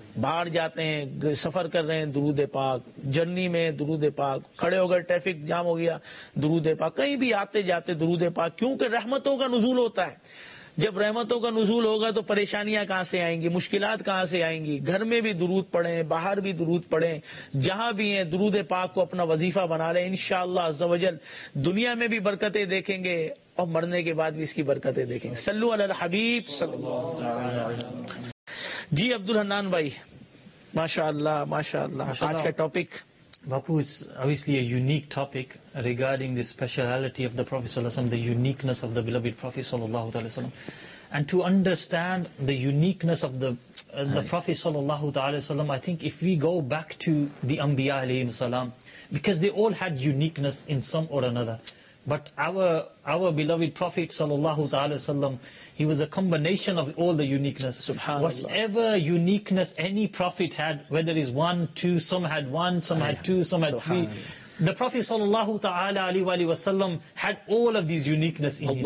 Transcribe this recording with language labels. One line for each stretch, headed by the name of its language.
Urdu: باہر جاتے ہیں سفر کر رہے ہیں درود پاک جرنی میں درود پاک کھڑے ہو گئے ٹریفک جام ہو گیا درود پاک کہیں بھی آتے جاتے درود پاک کیونکہ رحمتوں کا نزول ہوتا ہے جب رحمتوں کا نزول ہوگا تو پریشانیاں کہاں سے آئیں گی مشکلات کہاں سے آئیں گی گھر میں بھی درود پڑھیں باہر بھی درود پڑھیں جہاں بھی ہیں درود پاک کو اپنا وظیفہ بنا لیں انشاءاللہ عزوجل دنیا میں بھی برکتیں دیکھیں گے اور مرنے کے بعد بھی اس کی برکتیں دیکھیں گے صلوا علی الحبیب صلی اللہ جی عبد الحنان بھائی ماشاء اللہ ماشاء اللہ آج کا topic
English: باپو is obviously a unique topic regarding the speciality of the Prophet صلی اللہ علیہ وسلم the uniqueness of the beloved Prophet صلی اللہ علیہ وسلم and to understand the uniqueness of the Prophet صلی اللہ علیہ وسلم I think if we go back to the انبیاء علیہ السلام because they all had uniqueness in some or اندر But our beloved Prophet sallallahu ta'ala sallam, he was a combination of all the uniqueness. Whatever uniqueness any Prophet had, whether it's one, two, some had one, some had two, some had three. The Prophet sallallahu ta'ala alayhi wa sallam had all of these uniqueness in